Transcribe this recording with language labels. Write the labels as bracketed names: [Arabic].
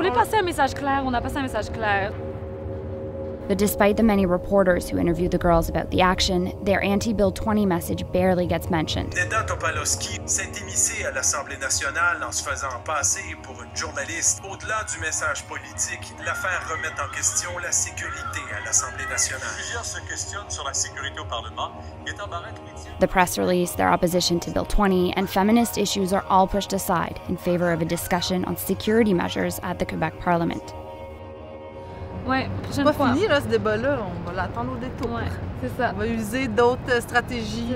[French] On voulait passer un message clair. [English] But despite the many reporters who interviewed the girls about the action, their anti-Bill 20 message barely gets mentioned. [French] Netta Topalowski s'est immiscée à l'Assemblée nationale en se faisant passer pour une journaliste. Au-delà du message politique, l'affaire remet en question la sécurité à l'Assemblée nationale. Plusieurs se questionnent sur la sécurité au Parlement. [English] The press release, their opposition to Bill 20, and feminist issues are all pushed aside in favor of a discussion on security measures at the Quebec Parliament. [French] Ouais, c'est pas fini là, ce débat-là, on va l'attendre au détour. Ouais, c'est ça. On va user d'autres stratégies.